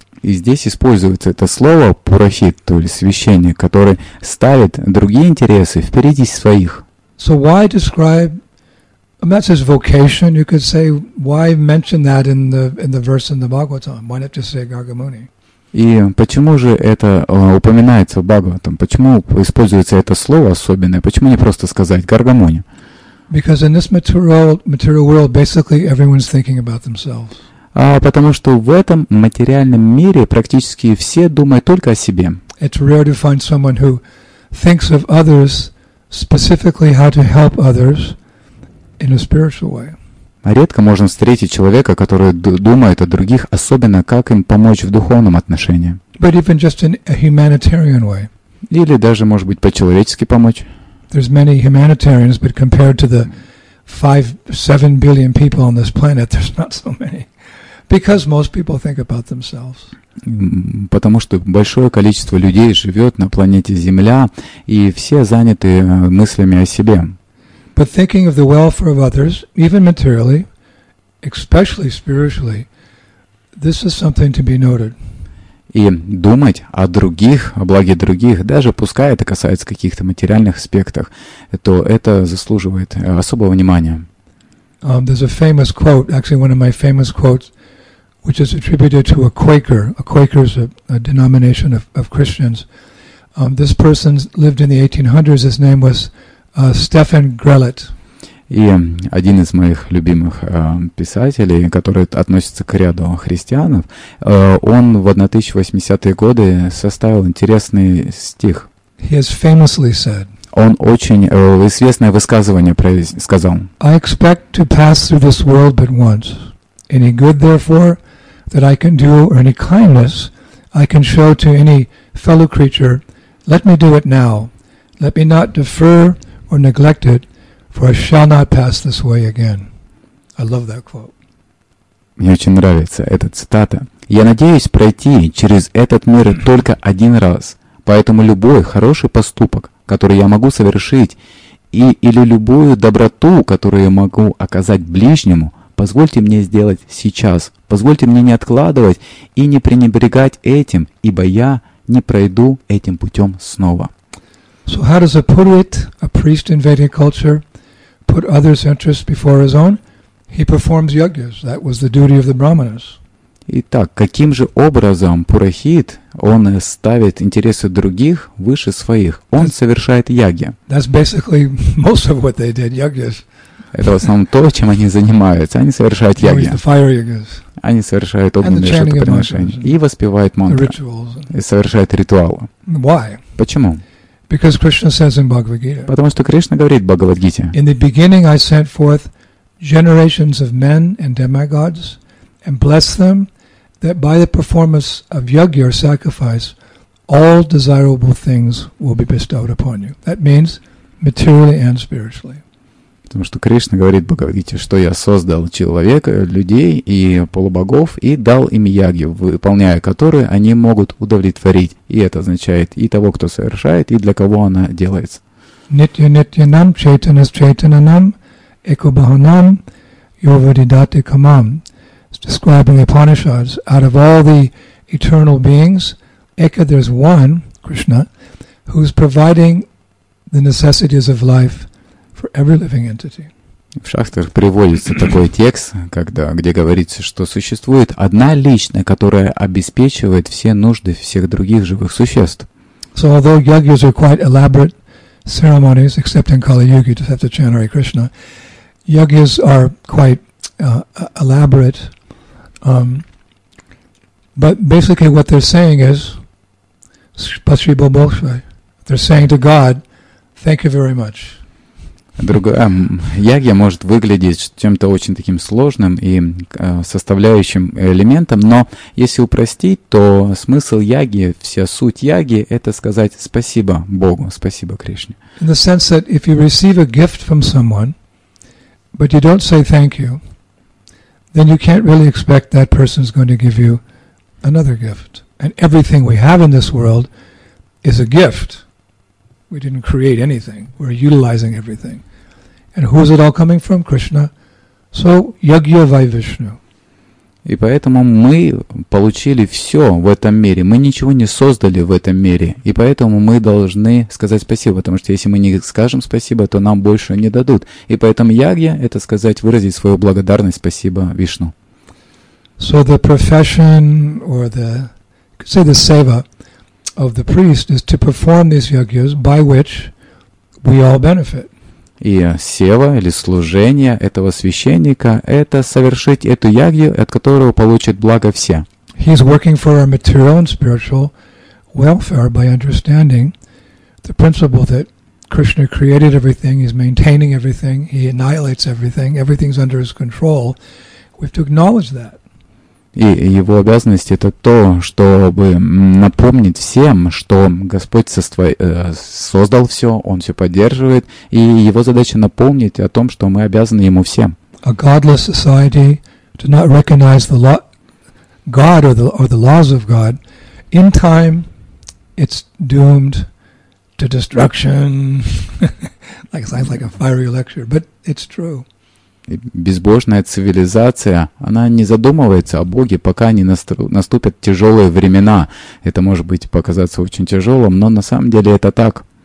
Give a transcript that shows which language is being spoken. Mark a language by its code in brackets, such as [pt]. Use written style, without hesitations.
[ru] И здесь используется это слово пурохит, то есть священник, который ставит другие интересы впереди своих. [en] So why describe, that's his vocation, you could say, why mention that in the verse in the Bhagavatam? Why not just say Gargamuni? [ru] И почему же это упоминается в Бхагаватам? Почему используется это слово особенное? Почему не просто сказать Гаргамуни? [en] Because in this material world, basically everyone's thinking about themselves. [ru] А потому что в этом материальном мире практически все думают только о себе. [en] It's rare to find someone who thinks of others, specifically how to help others in a spiritual way. [ru] Редко можно встретить человека, который думает о других, особенно как им помочь в духовном отношении. [en] But even just in a humanitarian way. [ru] Или даже, может быть, по-человечески помочь. [en] There's many humanitarians, but compared to the 5-7 billion people on this planet, there's not so many. Because most people think about themselves. [ru] Потому что большое количество людей живет на планете Земля, и все заняты мыслями о себе. [en] But thinking of the welfare of others, even materially, especially spiritually, this is something to be noted. [ru] И думать о других, о благе других, даже пускай это касается каких-то материальных аспектов, то это заслуживает особого внимания. [en] There's a famous quote, actually one of my famous quotes, which is attributed to a Quaker. A Quaker is a denomination of Christians. This person lived in the 1800s. His name was Stephen Grellet. [ru] И один из моих любимых писателей, который относится к ряду христианов, он в 1880-е годы составил интересный стих. [en] He has famously said. [ru] Он очень известное высказывание сказал. [en] I expect to pass through this world but once. Any good, therefore, that I can do, or any kindness I can show to any fellow creature, let me do it now. Let me not defer or neglect it, for I shall not pass this way again. I love that quote. [ru] Мне очень нравится эта цитата. Я надеюсь пройти через этот мир только один раз, поэтому любой хороший поступок, который я могу совершить, или любую доброту, которую я могу оказать ближнему, позвольте мне сделать сейчас. Позвольте мне не откладывать и не пренебрегать этим, ибо я не пройду этим путем снова. [en] So how does a purit, a priest in Vedic culture, put others' interests before his own? He performs yajnas. That was the duty of the brahmanas. [ru] Итак, каким же образом пурохит, он ставит интересы других выше своих? Он совершает яги. [en] That's basically most of what they did, yajnas. [ru] Это в основном то, чем они занимаются. Они совершают яги. Они совершают огненные жертвоприношения. И воспевают мантры. И совершают ритуалы. [en] Why? [ru] Почему? [en] Because Krishna says in Bhagavad-gita. [ru] Потому что Кришна говорит в Бхагавад-гите. [en] In the beginning I sent forth generations of men and demigods and blessed them that by the performance of yajna or sacrifice all desirable things will be bestowed upon you. That means materially and spiritually. [ru] Потому что Кришна говорит, Бхагавадгите, что я создал человека, людей и полубогов, и дал им ягью, выполняя которые они могут удовлетворить. И это означает и того, кто совершает, и для кого она делается. [sa] Нитья нитья нам, чайтана с чайтана нам, экубаханам, йовадидати камам. [en] It's describing the Upanishads. Out of all the eternal beings, Eka, there's one, Krishna, who's providing the necessities of life for every living entity. [ru] В шахтах приводится такой текст, когда, где говорится, что существует одна личность, которая обеспечивает все нужды всех других живых существ. [en] So although yagyas are quite elaborate ceremonies, except in Kali Yuga, you just have to chant Hare Krishna, yagyas are quite elaborate. But basically what they're saying is, [ru] Спасибо большое. [en] They're saying to God, thank you very much. [ru] Другая ягья может выглядеть чем-то очень таким сложным и составляющим элементом, но если упростить, то смысл ягьи, вся суть ягьи — это сказать спасибо Богу, спасибо Кришне. [en] In the sense that if you receive a gift from someone, but you don't say thank you, then you can't really expect that person's going to give you another gift. And everything we have in this world is a gift. We didn't create anything. We're utilizing everything. And who is it all coming from? Krishna. [sa] So, yagya vai Vishnu. [ru] И поэтому мы получили все в этом мире. Мы ничего не создали в этом мире. И поэтому мы должны сказать спасибо. Потому что если мы не скажем спасибо, то нам больше не дадут. И поэтому ягья — это сказать, выразить свою благодарность, спасибо Вишну. [en] So the profession or the, you could say the seva of the priest is to perform these yagyas by which we all benefit. [ru] И сева или служение этого священника — это совершить эту ягью, от которого получат благо все. [en] He is working for our material and spiritual welfare by understanding the principle that Krishna created everything, he's maintaining everything, he annihilates everything, everything's under his control. We have to acknowledge that. [ru] И его обязанность — это то, чтобы напомнить всем, что Господь создал все, Он все поддерживает, и его задача — напомнить о том, что мы обязаны Ему всем. [en] A godless society does not recognize the law, God or the laws of God. In time, it's doomed to destruction. Like, it sounds like a fiery lecture, but it's true. [ru] Безбожная цивилизация, она не задумывается о Боге, пока не наступят тяжелые времена. Это может быть показаться очень тяжелым, но на самом деле это так.